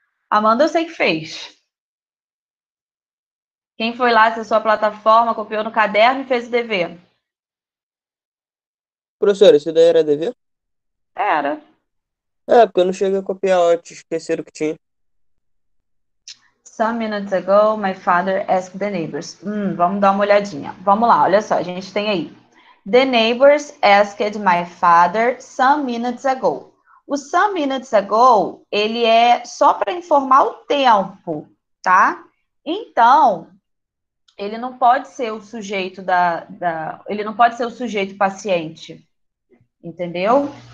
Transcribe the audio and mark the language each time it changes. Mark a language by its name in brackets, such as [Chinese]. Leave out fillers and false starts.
[Portuguese] Amanda, eu sei que fez. Quem foi lá, acessou a plataforma, copiou no caderno e fez o dever? Professora, isso daí era dever? Era. É, porque eu não cheguei a copiar antes, esqueceram que tinha. [English] Some minutes ago, my father asked the neighbors. [Portuguese] Vamos dar uma olhadinha. Vamos lá, olha só, a gente tem aí. [English] The neighbors asked my father some minutes ago. [Portuguese] O some minutes ago, ele é só para informar o tempo, tá? Então, ele não pode ser o sujeito ele não pode ser o sujeito paciente. Entendeu?